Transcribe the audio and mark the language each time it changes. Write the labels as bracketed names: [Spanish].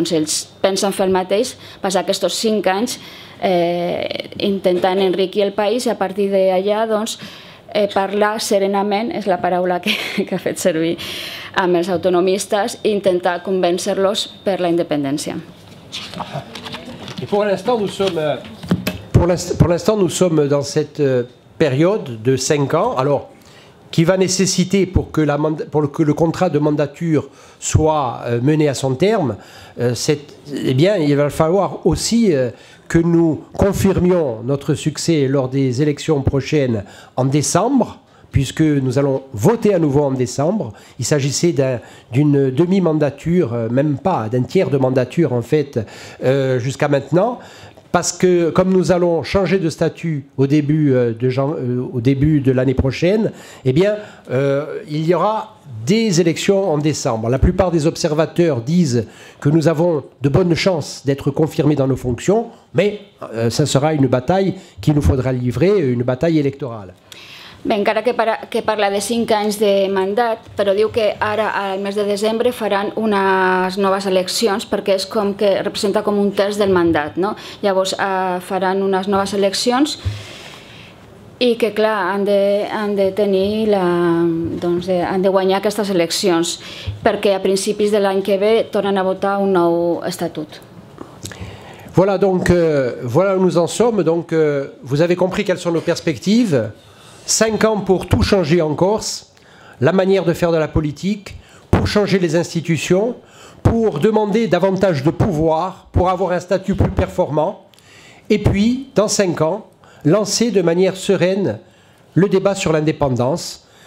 [Catalan] Doncs ells pensen fer el mateix, passar aquests 5 anys intentant enriquir el país i a partir d'allà doncs, parlar serenament, és la paraula que ha fet servir, amb els autonomistes i intentar convèncer-los per la independència. [French] I per l'instant, nous sommes dans cette période de 5 ans, alors, qui va nécessiter pour que le contrat de mandature soit mené à son terme, il va falloir aussi que nous confirmions notre succès lors des élections prochaines en décembre, puisque nous allons voter à nouveau en décembre. Il s'agissait d'une demi-mandature, même pas, d'un tiers de mandature en fait, jusqu'à maintenant. parce que comme nous allons changer de statut au début de l'année prochaine, eh bien, il y aura des élections en décembre. La plupart des observateurs disent que nous avons de bonnes chances d'être confirmés dans nos fonctions, mais ça sera une bataille qu'il nous faudra livrer, une bataille électorale. [Catalan] Bé, encara que parla de 5 anys de mandat, però diu que ara, al mes de desembre, faran unes noves eleccions perquè és com que representa com un terç del mandat, no? Llavors faran unes noves eleccions i que, clar, han de tenir han de guanyar aquestes eleccions perquè a principis de l'any que ve tornen a votar un nou estatut. [French] Voilà, donc, voilà où nous en sommes. Donc, vous avez compris quelles sont nos perspectives. 5 ans pour tout changer en Corse, la manière de faire de la politique, pour changer les institutions, pour demander davantage de pouvoir, pour avoir un statut plus performant, et puis, dans 5 ans, lancer de manière sereine le débat sur l'indépendance.